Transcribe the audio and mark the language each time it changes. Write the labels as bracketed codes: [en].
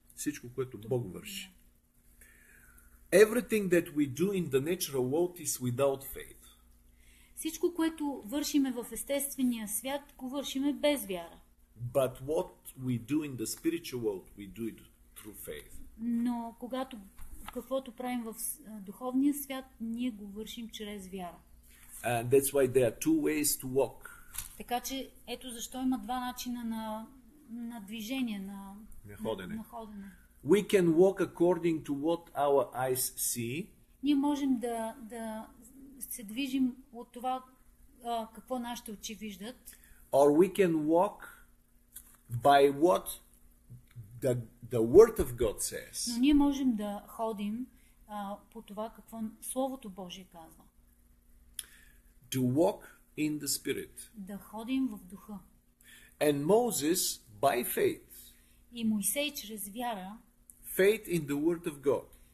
[bg] Всичко, което Бог върши. [en] Everything that we do in the natural world is without faith. [bg] Всичко, което вършиме в естествения свят, го вършиме без вяра. [en] But what we do in the spiritual world, we do it through faith. [bg] Но когато каквото правим в духовния свят, ние го вършим чрез вяра. [en] And that's why there are two ways to walk. [bg] Така че ето защо има два начина на движение, на ходене. На ходене. [en] We can walk according to what our eyes see. [bg] Ние можем да се движим от това какво нашите очи виждат. [en] Or we can walk by what the word of God says. [bg] Но ние можем да ходим по това какво Словото Божие казва. [en] To walk in the spirit. [bg] Да ходим в духа. [en] And Moses by faith. [bg] И Моисей чрез вяра. [en] Faith in the word of God.